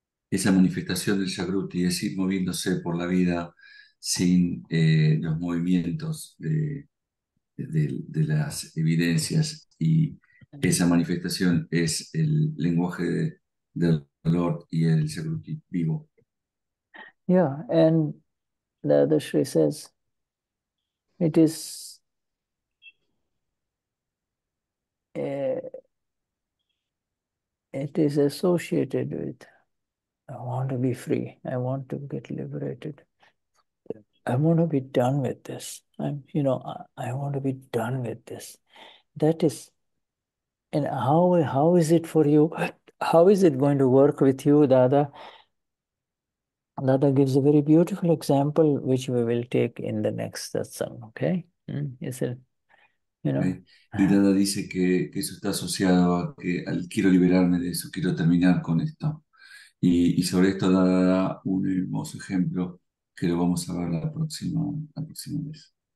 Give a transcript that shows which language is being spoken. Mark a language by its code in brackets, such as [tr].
[es] Esa manifestación del Jagruti es ir moviéndose por la vida sin los movimientos de las evidencias, y esa manifestación es el lenguaje del Lord y el Jagruti vivo. [en] Yeah, and the other Shri says it is associated with I want to be free, I want to get liberated. I want to be done with this. I want to be done with this. That is, and how is it for you? How is it going to work with you, Dada? Dada gives a very beautiful example, which we will take in the next satsang, okay? Is it, you know? [es] Okay. Y Dada dice que eso está asociado a que al quiero liberarme de eso, quiero terminar con esto. Y sobre esto Dada da un hermoso ejemplo, que lo vamos a ver la próxima vez.